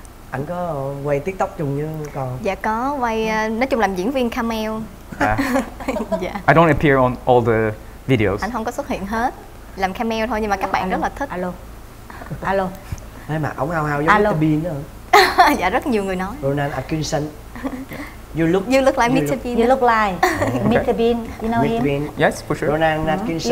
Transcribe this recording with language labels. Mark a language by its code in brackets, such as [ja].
[vi] Anh có quay TikTok chung như con? Dạ có, quay, nói chung làm diễn viên cameo. [en] Dạ. I don't appear on all the videos. [vi] Anh không có xuất hiện hết. Làm cameo thôi nhưng mà các bạn rất là thích. Alo. Alo. Ê mà ổng hao hao giống Mr. Bean đó. Dạ rất nhiều người nói. [en] Ronald Atkinson. You look like Mr. Bean. You look like Mr. Bean. You know Mr. Bean. Him? Yes, for sure. Ronald Atkinson.